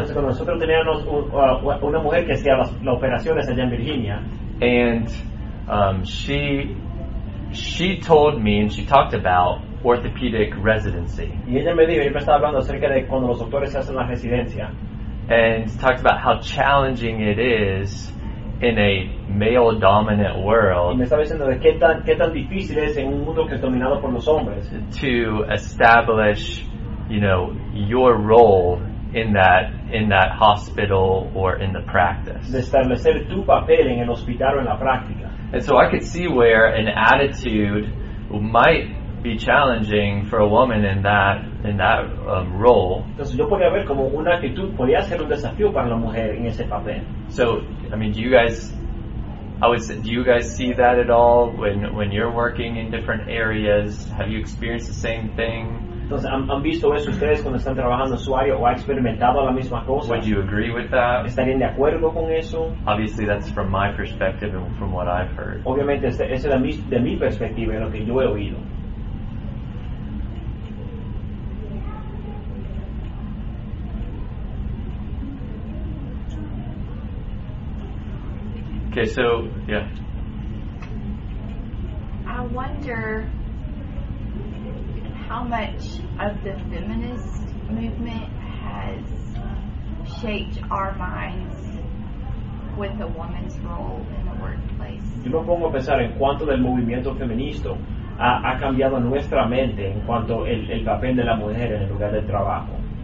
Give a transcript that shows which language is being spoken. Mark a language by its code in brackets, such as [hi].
[es] Entonces, cuando nosotros teníamos una mujer que hacía las operaciones allá en Virginia. [en] And she told me and she talked about orthopedic residency. [es] Y ella me dijo, yo me estaba hablando acerca de cuando los doctores hacen la residencia. [en] And talks about how challenging it is in a male-dominant world. [es] Y me estaba diciendo de qué tan difícil es en un mundo que es dominado por los hombres. [en] To establish, you know, your role in that hospital or in the practice. [es] De establecer tu papel en el hospital o en la práctica. [en] And so I could see where an attitude might be challenging for a woman in that role. [es] Entonces yo podía ver como una actitud podía ser un desafío para la mujer en ese papel. [en] So, I mean, do you guys see that at all when you're working in different areas? Have you experienced the same thing? [es] Entonces, ¿han visto eso ustedes cuando están trabajando en su área o ha experimentado la misma cosa? [en] Would you agree with that? [es] ¿Estarían de acuerdo con eso? [en] Obviously, that's from my perspective and from what I've heard. [es] Obviamente, ese es de mi perspectiva y lo que yo he oído. [en] Okay, so, yeah. I wonder how much of the feminist movement has shaped our minds with a woman's role in the workplace. [es] Yo me pongo a pensar en cuánto del movimiento feminista ha cambiado nuestra mente en cuanto el papel de la mujer en el lugar del trabajo.